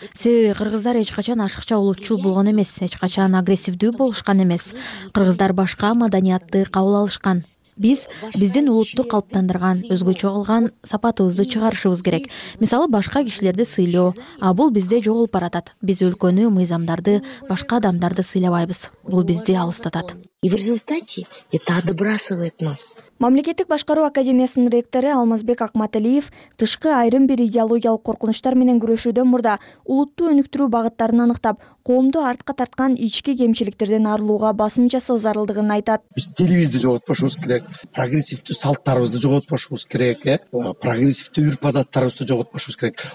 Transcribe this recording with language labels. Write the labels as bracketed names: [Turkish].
[Kyrgyz] Себеби кыргыздар эч качан ашыкча улутчул болгон эмес, эч качан агрессивдүү болушкан эмес. Кыргыздар башка маданиятты кабыл алышат. Биздин улутту калыптандырган, өзгөчө кылган сапатыбызды чыгарышыбыз керек. Мисалы, башка кишилерди сыйлоо, а бул бизде жоголуп баратат. Биз өлкөнү, мыйзамдарды, башка адамдарды сыйлабайбыз. Бул бизди алыстатат. [Russian] И в результате это отбрасывает нас. [Kyrgyz] Мамлекеттик башкаруу академиясынын ректору Алмазбек Акматалиев тышкы айрым бир идеологиялык коркунучтар менен күрөшүүдөн мурда улутту өнүктүрүү багыттарын аныктап, коомду артка тарткан ички кемчиликтерден арылууга басым жасоо зарылдыгын айтат. Биз телибизди жоготпошубуз керек, прогрессивдүү салттарыбызды жоготпошубуз керек, прогрессивдүү үрп адаттарыбызды жоготпошубуз керек.